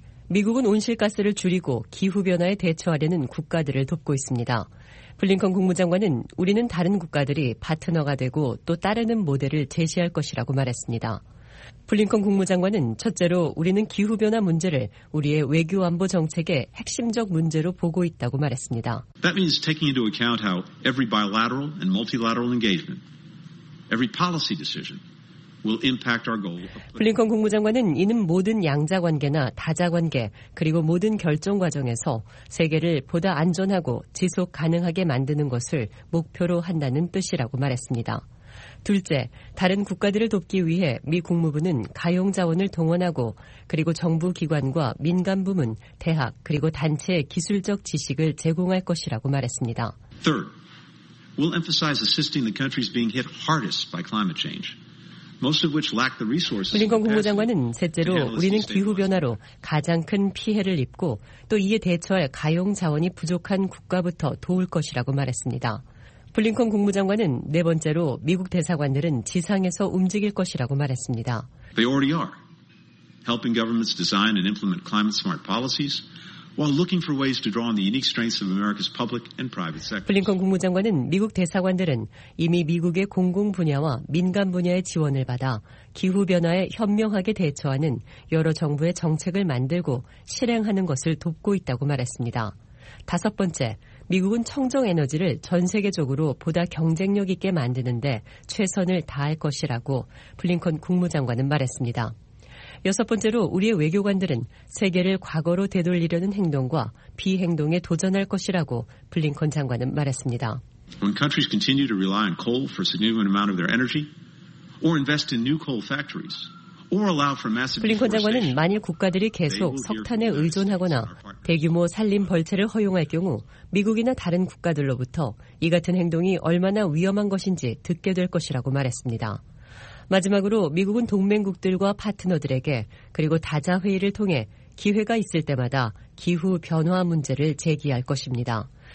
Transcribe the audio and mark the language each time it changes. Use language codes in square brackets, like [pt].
[ko] 미국은 온실가스를 줄이고 기후변화에 대처하려는 국가들을 돕고 있습니다. 블링컨 국무장관은 우리는 다른 국가들이 파트너가 되고 또 따르는 모델을 제시할 것이라고 말했습니다. 블링컨 국무장관은 첫째로 우리는 기후변화 문제를 우리의 외교안보 정책의 핵심적 문제로 보고 있다고 말했습니다. [en] That means taking into account how every bilateral and multilateral engagement, every policy decision will impact our goal. [ko] 블링컨 국무장관은 이는 모든 양자관계나 다자관계 그리고 모든 결정 과정에서 세계를 보다 안전하고 지속 가능하게 만드는 것을 목표로 한다는 뜻이라고 말했습니다. 둘째, 다른 국가들을 돕기 위해 미 국무부는 가용 자원을 동원하고 그리고 정부기관과 민간부문, 대학 그리고 단체의 기술적 지식을 제공할 것이라고 말했습니다. [en] Third, we'll emphasize assisting the countries being hit hardest by climate change. [ko] 블링컨 국무장관은 셋째로 우리는 기후변화로 가장 큰 피해를 입고 또 이에 대처할 가용 자원이 부족한 국가부터 도울 것이라고 말했습니다. 블링컨 국무장관은 네 번째로 미국 대사관들은 지상에서 움직일 것이라고 말했습니다. [en] They already are helping governments design and implement climate smart policies while looking for ways to draw on the unique strengths of America's public and private sector. [ko] 블링컨 국무장관은 미국 대사관들은 이미 미국의 공공 분야와 민간 분야의 지원을 받아 기후 변화에 현명하게 대처하는 여러 정부의 정책을 만들고 실행하는 것을 돕고 있다고 말했습니다. 다섯 번째, 미국은 청정 에너지를 전 세계적으로 보다 경쟁력 있게 만드는데 최선을 다할 것이라고 블링컨 국무장관은 말했습니다. 여섯 번째로 우리의 외교관들은 세계를 과거로 되돌리려는 행동과 비행동에 도전할 것이라고 블링컨 장관은 말했습니다. [en] When countries continue to rely on coal for a significant amount of their energy or invest in new coal factories, [ko] 블링컨 장관은 만일 국가들이 계속 석탄에 의존하거나 대규모 산림 벌채를 허용할 경우 미국이나 다른 국가들로부터 이 같은 행동이 얼마나 위험한 것인지 듣게 될 것이라고 말했습니다. 마지막으로 미국은 동맹국들과 파트너들에게 그리고 다자 회의를 통해 기회가 있을 때마다 기후 변화 문제를 제기할 것입니다.